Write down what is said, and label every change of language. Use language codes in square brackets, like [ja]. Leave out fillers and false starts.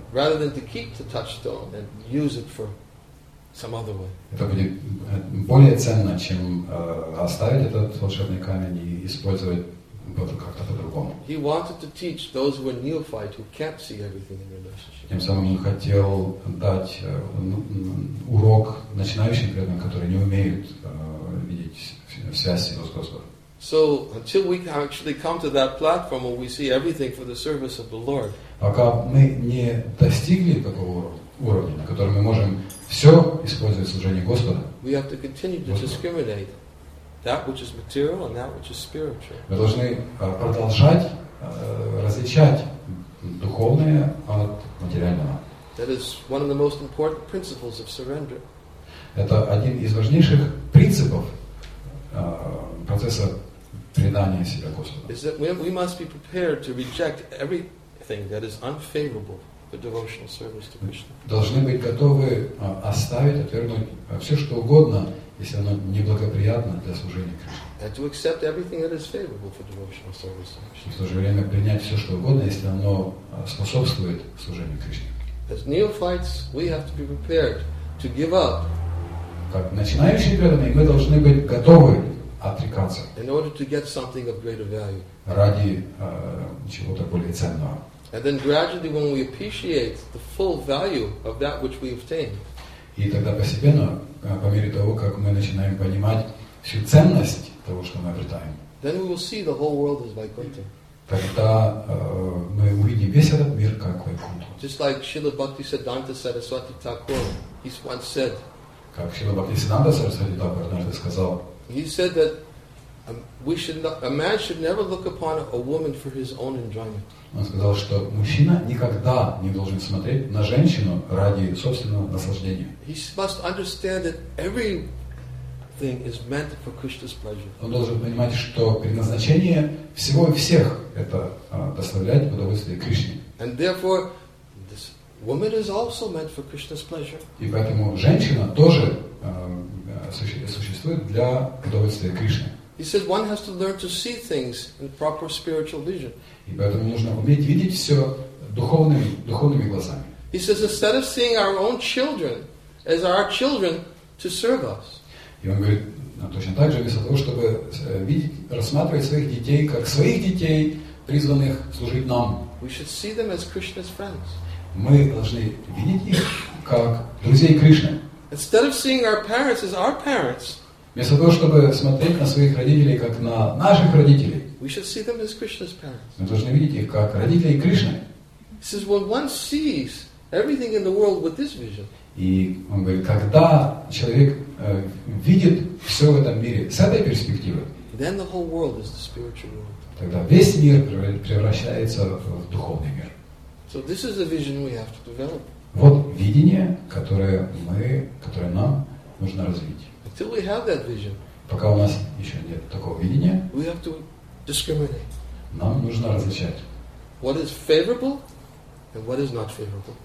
[en] Rather than to keep the touchstone and use it for some other way. [ru] Это будет более ценно, чем оставить этот волшебный камень и использовать как-то по-другому. [en] He wanted to teach those who are neophyte who can't see everything in relationship. [ru] Тем самым он хотел дать урок начинающим преданным, которые не умеют видеть связь его с Господом. [en] So until we actually come to that platform where we see everything for the service of the Lord. [ru] Пока мы не достигли такого уровня, на котором мы можем все использовать в служении Господа. [en] We have to continue to discriminate that which is material and that which is spiritual. [ru] Мы должны продолжать различать духовное от материального. [en] That is one of the most important principles of surrender. [ru] Это один из важнейших принципов процесса. [en] Is that we must be prepared to reject everything that is unfavorable for devotional service to Krishna. [ru] Должны быть готовы оставить, отвергнуть все что угодно, если оно неблагоприятно для служения Кришне. [en] And to accept everything that is favorable for devotional service. [ru] И в то же время принять все что угодно, если оно способствует служению Кришне. [en] As neophytes, we have to be prepared to give up. [ru] Как начинающие преданные, мы должны быть готовы отрекаться. [en] In order to get something of greater value. [ru] Ради чего-то более ценного. [en] And then gradually when we appreciate the full value of that which we obtain. [ru] И тогда постепенно, по мере того, как мы начинаем понимать всю ценность того, что мы обретаем. [en] Then we will see the whole world as Vaikuntha. [ru] Тогда мы увидим весь этот мир как Вайкунту. [en] Just like Śrīla Bhaktisiddhānta Saraswati Thakura, he's once said. [ru] Как Śrīla Bhaktisiddhānta Saraswati Thakura однажды сказал. [en] He said that a man should never look upon a woman for his own enjoyment. [ru] Он сказал, что мужчина никогда не должен смотреть на женщину ради собственного наслаждения. [en] He must understand that everything is meant for Krishna's pleasure. [ru] Он должен понимать, что предназначение всего и всех это доставлять удовольствие Кришне. [en] And therefore, this woman is also meant for Krishna's pleasure. [ru] И поэтому женщина тоже существует для удовольствия Кришны. [en] He said one has to learn to see things in proper spiritual vision. [ru] И поэтому нужно уметь видеть все духовными глазами. [en] He says instead of seeing our own children as our children to serve us. [ru] И он говорит, точно так же, вместо того, чтобы рассматривать своих детей как своих детей, призванных служить нам. [en] We should see them as Krishna's friends. [ru] Мы должны видеть их как друзей Кришны. [en] Instead of seeing our parents as our parents. [ru] Вместо того, чтобы смотреть на своих родителей как на наших родителей. [en] We should see them as Krishna's parents. [ru] Мы должны видеть их как родителей Кришны. [en] He says, when one sees everything in the world with this vision. [ru] И он говорит, когда человек видит все в этом мире с этой перспективы, [en] then the whole world is the spiritual world. [ru] Тогда весь мир превращается в духовный мир. [en] So this is the vision we have to develop. [ru] Вот видение, которое нам нужно развить. [en] Until we have that vision, [ru] пока у нас еще нет такого видения, [en] we have to discriminate. [ru] Нам нужно различать. [en] What is favorable and what is not favorable.